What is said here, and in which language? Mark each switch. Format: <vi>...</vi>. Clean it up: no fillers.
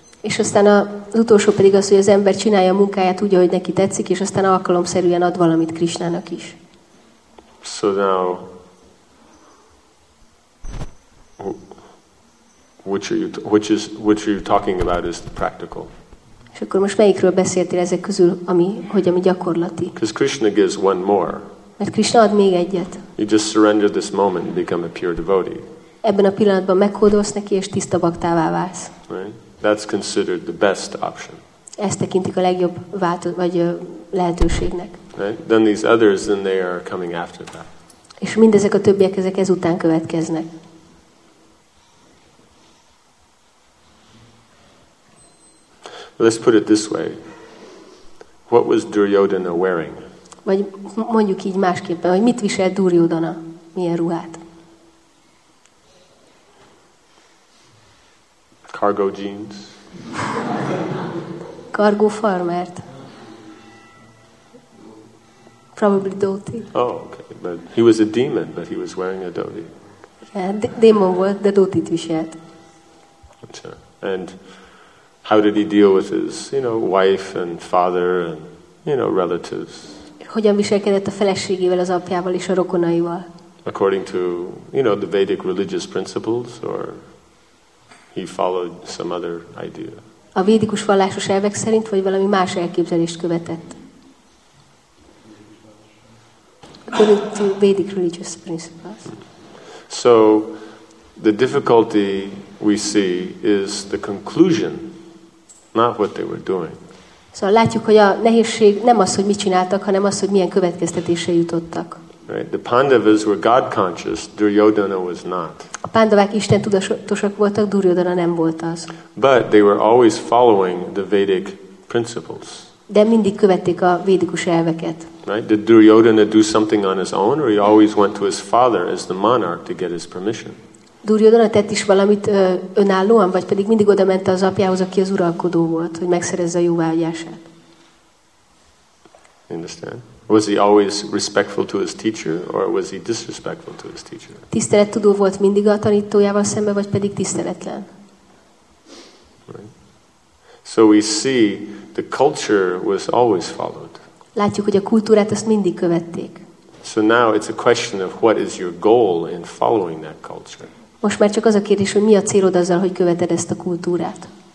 <hu>És aztán az utolsó pedig az, hogy az ember csinálja a munkáját úgy, ahogy neki tetszik, és aztán alkalomszerűen ad valamit Krishnának is.</hu> <en>So now, which are you talking about is the practical.</en> <hu>És akkor most melyikről beszéltél ezek közül, ami gyakorlati?</hu> <en>Because Krishna gives one more.</en> <hu>Mert Krishna ad még egyet.</hu> <en>You just surrender this moment and become a pure devotee.</en> <hu>Ebben a pillanatban meghódolsz neki és tiszta baktává válsz.</hu> <en>Right? That's considered the best option.</en> <hu>Ezt tekintik a legjobb lehetőségnek.</hu> <en>Right? Then these others, then they are coming after that.</en> <hu>És mindezek a többiek ezek ezután következnek.</hu> <en>Let's put it this way. What was Duryodhana wearing?</en> <hu>Vagy mondjuk így másképpen, hogy mit visel Duryodhana, milyen ruhát?</hu> <en>Cargo jeans.</en> <hu>Cargo farmert.</hu> <en>Probably dhoti. Oh, okay. But he was a demon, but he was wearing a dhoti.</en> <hu>Yeah, demon volt, de dhotit viselt.</hu> <en>And how did he deal with his, you know, wife and father and, you know, relatives?</en> <hu>Hogyan viselkedett a feleségével, az apjával és a rokonaival?</hu> <en>According to, you know, the Vedic religious principles, or he followed some other idea?</en> <hu>A védikus vallásos elvek szerint, vagy valami más elképzelést követett?</hu> <en>According to Vedic religious principles. So, the difficulty we see is the conclusion, not what they were doing.</en> <hu>Szóval látjuk, hogy a nehézség nem az, hogy mit csináltak, hanem az, hogy milyen következtetésre jutottak.</hu> <en>Right. The Pandavas were God conscious, Duryodhana was not.</en> <hu>A Pandavák Isten tudatosak voltak, Duryodhana nem volt az.</hu> <en>But they were always following the Vedic principles.</en> <hu>De mindig követték a védikus elveket.</hu> <en>Right. Did Duryodhana do something on his own, or he always went to his father as the monarch to get his permission?</en> <hu>Duryodhana tett is valamit önállóan, vagy pedig mindig oda ment az apjához, aki az uralkodó volt, hogy megszerezze a jóvágyását.</hu> <en>Understand? Was he always respectful to his teacher, or was he disrespectful to his teacher?</en> <hu>Tisztelettudó volt mindig a tanítójával szemben, vagy pedig tiszteletlen?</hu> <en>Right. So we see the culture was always followed.</en> <hu>Látjuk, hogy a kultúrát azt mindig követték.</hu> <en>So now it's a question of what is your goal in following that culture.</en> <hu>Most már csak az a kérdés, hogy mi a célod azzal, hogy követed ezt a kultúrát.</hu>